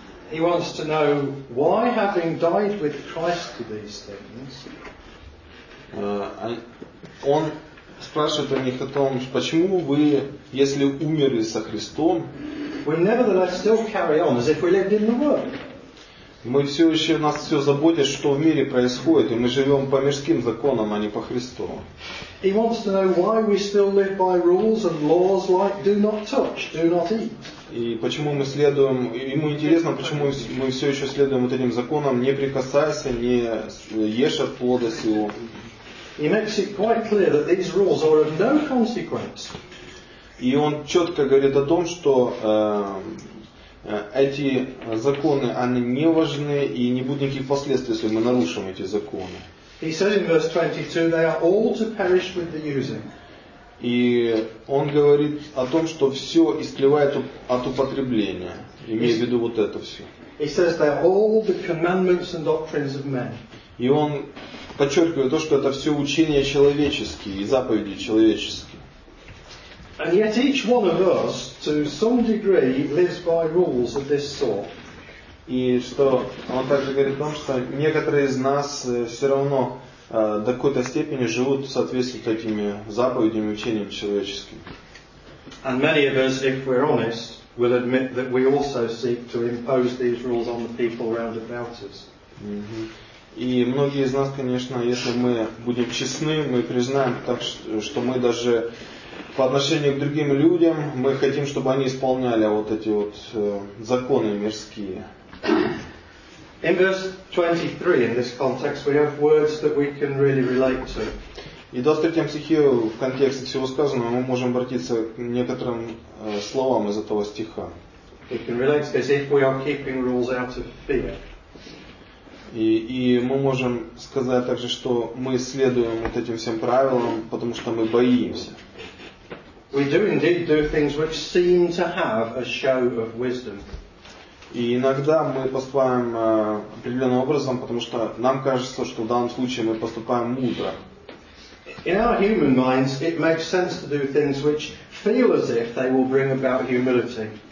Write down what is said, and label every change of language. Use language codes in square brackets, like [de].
[en] He wants to know why, having died with Christ to these things. [ru] Он спрашивает у них о том, почему вы, если умерли со Христом, [en] we nevertheless still carry on as if we lived in the world. [ru] Мы все еще, нас все заботит, что в мире происходит, и мы живем по мирским законам, а не по Христу. [en] He wants to know why we still live by rules and laws like do not touch, do not eat. [ru] И почему мы следуем, ему интересно, почему мы все еще следуем вот этим законам, не прикасайся, не ешь от плода сего. [en] He makes it quite clear that these rules are of no consequence. [ru] И он четко говорит о том, что эти законы, они не важны и не будет никаких последствий, если мы нарушим эти законы. [en] He says in verse 22, they are all to perish with the using. [ru] И он говорит о том, что все истлевает от употребления, имея в виду вот это все. [en] He says they are all the commandments and doctrines of men. [ru] И он подчеркивает то, что это все учения человеческие и заповеди человеческие. [en] And yet each one of us, to some degree, lives by rules of this sort. [ru] И что он также говорит о том, что некоторые из нас все равно до какой-то степени живут в соответствии с этими заповедями, учением человеческим. [en] And many of us, if we're honest, will admit that we also seek to impose these rules on the people around about us. [ru] И многие из нас, конечно, если мы будем честны, мы признаем, так, что мы даже по отношению к другим людям, мы хотим, чтобы они исполняли вот эти вот законы мирские. [en] In verse 23, in this context, we have words that we can really relate to. [ru] И до 23 стихе в контексте всего сказанного мы можем обратиться к некоторым словам из этого стиха. [en] We can relate to this if we are keeping rules out of fear. [ru] И мы можем сказать также, что мы следуем вот этим всем правилам, потому что мы боимся. [en] We do indeed do things which seem to have a show of wisdom. [ru] И иногда мы поступаем определенным образом, потому что нам кажется, что в данном случае мы поступаем мудро. [en] In our human minds, it makes sense to do things which feel as if they will bring about humility.